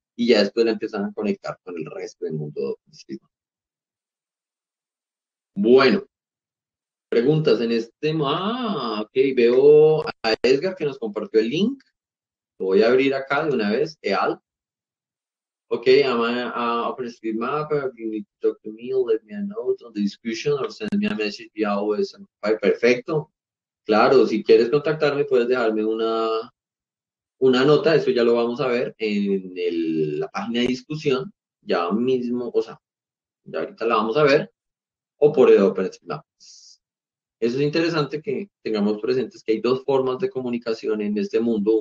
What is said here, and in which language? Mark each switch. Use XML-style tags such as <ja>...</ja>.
<es>Y ya después la empiezan a conectar con el resto del mundo. Bueno, preguntas en este. Ah, ok, veo a Edgar que nos compartió el link. Lo voy a abrir acá de una vez. EAL. Ok, a OpenStreetMap.</es> <en>If you need to talk to me, let me a note on the discussion or send me a message via OSM.</en> <es>Ay, perfecto. Claro, si quieres contactarme, puedes dejarme una nota, eso ya lo vamos a ver en la página de discusión, ya mismo, o sea, ya ahorita la vamos a ver, o por el OpenStreetMap. Eso es interesante que tengamos presentes que hay dos formas de comunicación en este mundo.</es>